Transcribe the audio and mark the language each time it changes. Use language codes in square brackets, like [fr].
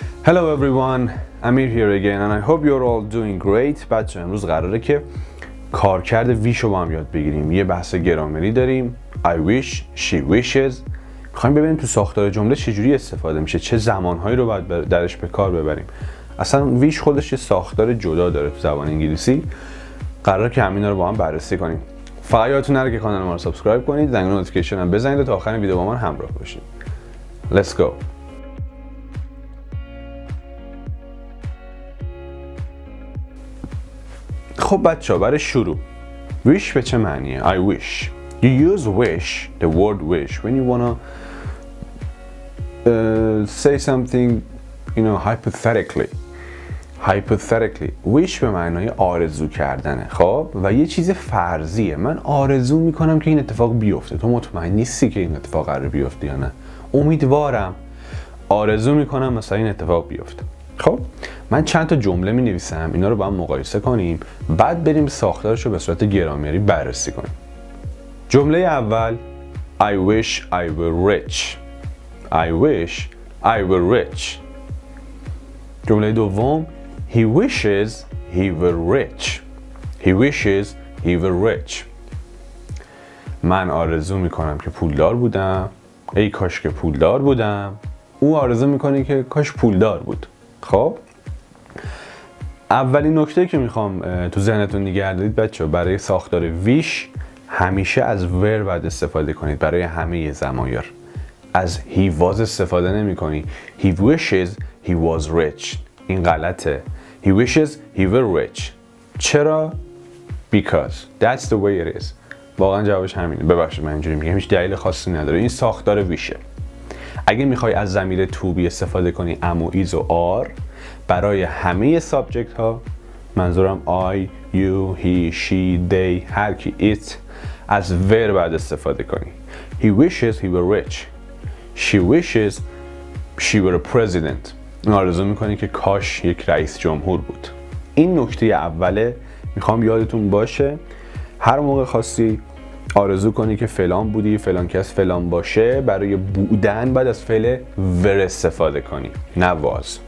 [en] Hello everyone, Amir here again and I hope you're all doing great. [fa] بچه امروز قراره که کارکرد ویشو با هم یاد بگیریم. یه بحث گرامری داریم. [en] I wish, she wishes. [fa] میخواییم ببینیم تو ساختار جمله چجوری استفاده میشه. چه زمانهایی رو باید درش به کار ببریم. اصلا wish خودش یه ساختار جدا داره تو زبان انگلیسی. قراره که همین رو با هم بررسی کنیم. فقط یادتون نره که کانال ما رو سابسکرایب کنید. زنگ نوتیفیکیشن هم بزنید و تا آخر ویدیو با من همراه باشید. [en] Let's go. [fa] خب بچه ها برای شروع wish به چه معنیه؟ [en] I wish. You use wish, the word wish, when you wanna say something, you know, hypothetically. [fa] Hypothetically wish به معنی آرزو کردنه. خب و یه چیز فرضیه. من آرزو میکنم که این اتفاق بیفته. تو مطمئن نیستی که این اتفاق قرار بیفته یا نه. امیدوارم. آرزو میکنم مثلا این اتفاق بیفته. خب من چند تا جمله می نویسم، اینا رو با هم مقایسه کنیم، بعد بریم ساختارش رو به صورت گرامری بررسی کنیم. [en] جمله اول: I wish I were rich. I wish I were rich. [fa] جمله دوم: [en] He wishes he were rich. He wishes he were rich. [fa] من آرزو می کنم که پولدار بودم. ای کاش که پولدار بودم. او آرزو می کنه که کاش پولدار بود. خب اولین نکته که میخوام تو ذهنتون نگه دارید بچه، برای ساختار wish همیشه از were باید استفاده کنید. برای همه زمایر از he was استفاده نمی کنی. [en] He wishes he was rich. [fa] این غلطه. [en] He wishes he were rich. [fa] چرا؟ [en] Because that's the way it is. [fa] واقعا جوابش همینه. ببخشید من اینجوری میگم، هیچ دلیل خاصی نداره. این ساختار wishه. اگه میخوای از ضمیر to be استفاده کنی، am و is و are، برای همه سابجکت ها، منظورم [en] I, you, he, she, they، [fa] هر کی، it، از where بعد استفاده کنی. [en] He wishes he were rich. She wishes she were a president. [fa] آرزو میکنی که کاش یک رئیس جمهور بود. این نکته اوله. میخوام یادتون باشه هر موقع خواستی آرزو کنی که فلان بودی، فلان کس فلان باشه، برای بودن بعد از فعل were استفاده کنی، نه was.